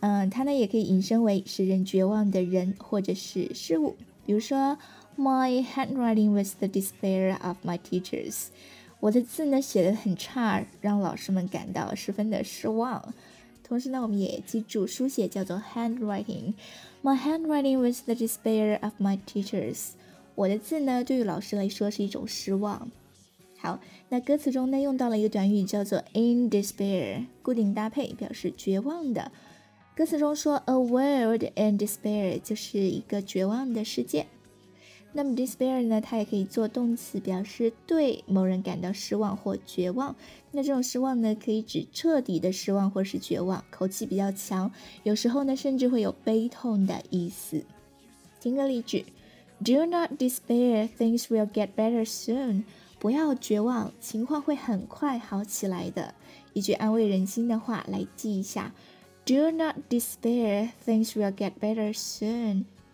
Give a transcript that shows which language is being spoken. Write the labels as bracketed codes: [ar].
[zh] 它呢也可以引申为使人绝望的人或者是事物。 [en] 比如说 ，My handwriting was the despair of my teachers。 [zh] 我的字呢写得很差，让老师们感到十分的失望。同时呢，我们也记住书写叫做 handwriting。 [en] My handwriting was the despair of my teachers。 [zh] 我的字呢，对于老师来说是一种失望。好，那歌词中呢用到了一个短语叫做 in despair， 固定搭配表示绝望的。歌词中说 [en] a world in despair [zh] 就是一个绝望的世界。那么 despair 呢，它也可以做动词，表示对某人感到失望或绝望。那这种失望呢，可以指彻底的失望或是绝望，口气比较强，有时候呢，甚至会有悲痛的意思。听个例句 [en] Do not despair, things will get better soon. [zh] 不要绝望，情况会很快好起来的。一句安慰人心的话来记一下。 [en] Do not despair, things will get better soon.